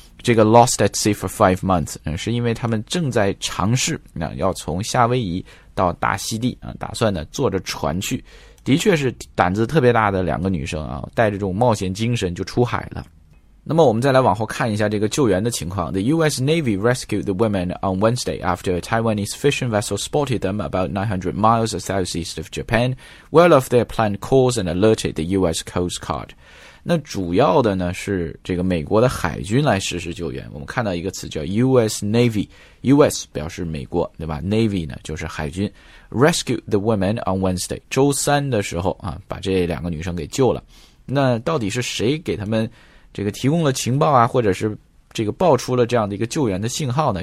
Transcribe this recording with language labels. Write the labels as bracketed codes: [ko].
[zh] 这个 [en] lost at sea for 5 months, [zh] 是因为他们正在尝试要从夏威夷到大溪地，打算呢坐着船去。的确是胆子特别大的两个女生啊，带着这种冒险精神就出海了。那么我们再来往后看一下这个救援的情况。 [en] The US Navy rescued the women on Wednesday after a Taiwanese fishing vessel spotted them about 900 miles southeast of Japan, well off their planned course and alerted the US Coast Guard. [zh] 那主要的呢是这个美国的海军来实施救援。我们看到一个词叫 US Navy， US 表示美国，对吧？ Navy 呢就是海军。 [en] Rescue the women on Wednesday， [zh] 周三的时候啊，把这两个女生给救了。那到底是谁给他们这个提供了情报啊，或者是这个爆出了这样的一个救援的信号呢？